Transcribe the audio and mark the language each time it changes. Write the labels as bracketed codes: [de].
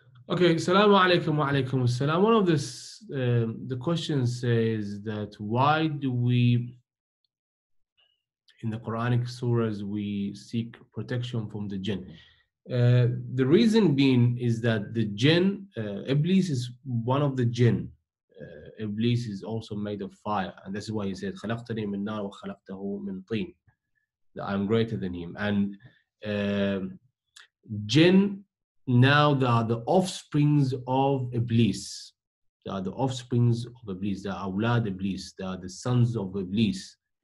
[en] Okay, salamu alaykum wa alaykum as-salam. One of this, the questions says that why do we, in the Quranic surahs, we seek protection from the jinn? The reason being is that the jinn, Iblis is one of the jinn. Iblis is also made of fire. And that's why he said, [ar] خَلَقْتَنِي مِن نَارُ وَخَلَقْتَهُ مِن طِين. [en] That I'm greater than him. And jinn, now they are the offsprings of Iblis. They are the offsprings of Iblis. They are awlad Iblis. They are the sons of Iblis.